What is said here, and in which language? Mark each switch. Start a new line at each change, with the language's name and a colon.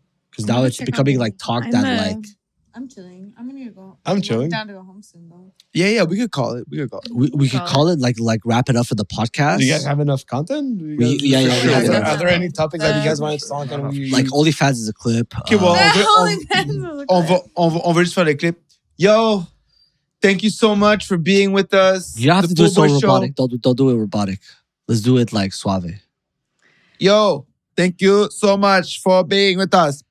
English: Because now it's becoming like talk that like… I'm chilling. I'm gonna go. I'm chilling. Down to go home soon though. Yeah. We could call it. We could call it. We could call it like wrap it up for the podcast. Do you guys have enough content? Are there any topics that you guys want to talk about? Like OnlyFans is a clip. Okay, well,
French: on veut juste faire le clip.
English: Yo, thank you so much for being with us. You don't have to do it so robotic. Don't do it robotic. Let's do it like suave. Yo. Thank you so much for being with us.